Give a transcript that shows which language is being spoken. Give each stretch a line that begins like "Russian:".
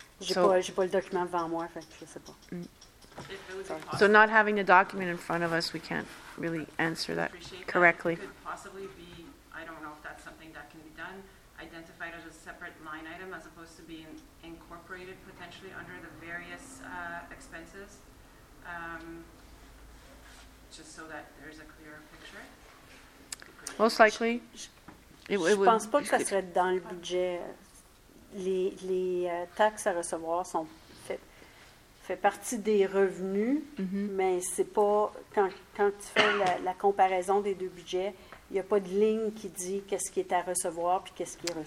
French: J'ai pas le document devant moi, en fait, je sais pas.
English: So not having the document in front of us, we can't really answer that correctly. That could possibly be, I don't know if that's something that can be done, identified as a separate line item as opposed to being incorporated potentially under the various expenses, just so that there's a clearer picture. Most likely.
French: Je pense pas que ça serait dans le budget. Les taxes à recevoir sont fait partie des revenus, mais c'est pas quand tu fais la comparaison des deux budgets, il n'y a pas de ligne qui dit qu'est-ce qui est à recevoir puis qu'est-ce qui est reçu.